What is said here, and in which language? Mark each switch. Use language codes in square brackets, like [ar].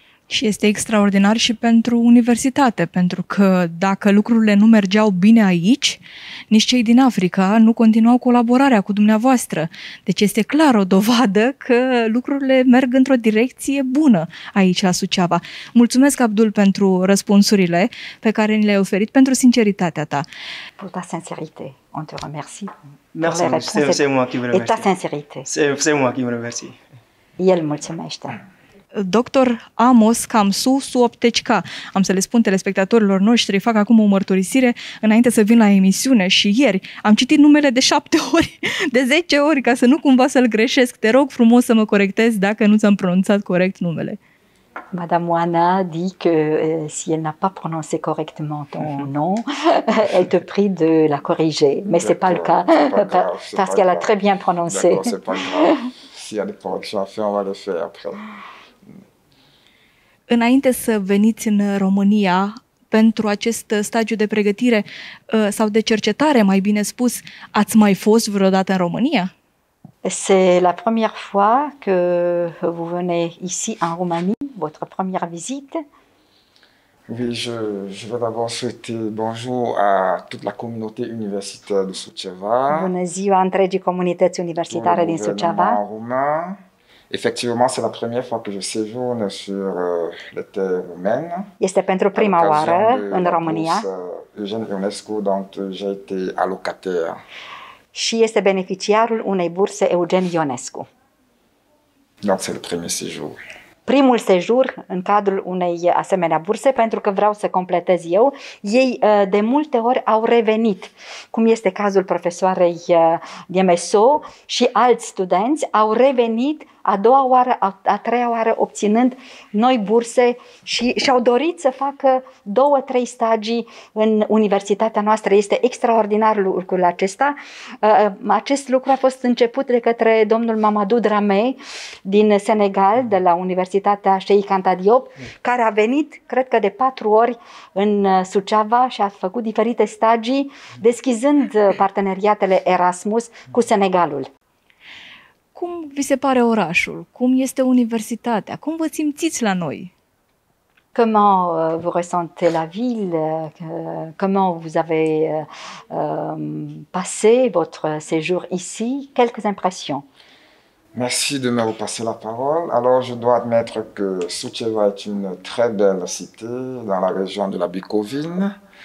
[ro] Și este extraordinar și pentru universitate, pentru că dacă lucrurile nu mergeau bine aici, nici cei din Africa nu continuau colaborarea cu dumneavoastră. Deci este clar o dovadă că lucrurile merg într-o direcție bună aici la Suceava. Mulțumesc, Abdul, pentru răspunsurile pe care ni le-ai oferit, pentru sinceritatea ta. [fr] Pour ta sincérité, on te remercie. Merci, c'est moi qui vous remercie. Et ta sincérité. C'est moi qui vous remercie. [ro] El mulțumește. Dr. Amos Kamsu Suoptechka. Am să le spun telespectatorilor noștri, fac acum o mărturisire înainte să vin la emisiune și ieri am citit numele de 7 ori, de 10 ori, ca să nu cumva să-l greșesc. Te rog frumos să mă corectezi dacă nu ți-am pronunțat corect numele. [fr] Madame Oana dit que si elle n'a pas prononcé correctement ton nom, elle te prie de la corriger. Mais d'accord, c'est pas le cas, parce qu'elle a très bien prononcé. S'il y a des corrections à faire, on va le faire après. [ro] Înainte să veniți în România pentru acest stagiu de pregătire sau de cercetare, mai bine spus, ați mai fost vreodată în România? [fr] C'est la première fois que vous venez ici en Roumanie, votre première visite. Oui, je vais d'abord souhaiter bonjour à toute la communauté universitaire de Suceava. [ro] Bună ziua întregii comunități universitare din Suceava. [fr] Effectivement, c'est la première fois que je séjourne sur les terres roumaines. [ro] Este pentru prima oară în România. [fr] Eugène Ionescu, dont j'ai été allocataire. [ro] Și este beneficiarul unei burse Eugène Ionescu. [fr] Donc, c'est le premier séjour. [ro] Primul sejur în cadrul unei asemenea burse, pentru că vreau să completez eu, ei de multe ori au revenit, cum este cazul profesoarei Diemesou și alți studenți, au revenit a doua oară, a treia oară, obținând noi burse și și-au dorit să facă 2-3 stagii în universitatea noastră. Este extraordinar lucrul acesta. Acest lucru a fost început de către domnul Mamadou Dramé din Senegal, de la Universitatea Cheikh Anta Diop, care a venit, cred că de 4 ori, în Suceava și a făcut diferite stagii, deschizând parteneriatele Erasmus cu Senegalul. Cum vi se pare orașul? Cum este universitatea? Cum vă simțiți la noi? [fr] Comment vous ressentez la ville? Comment vous avez passé votre séjour ici? Quelques impressions? Merci de me repasser la parole. Alors, je dois admettre que Suceava est une très belle cité dans la région de la Bucovine.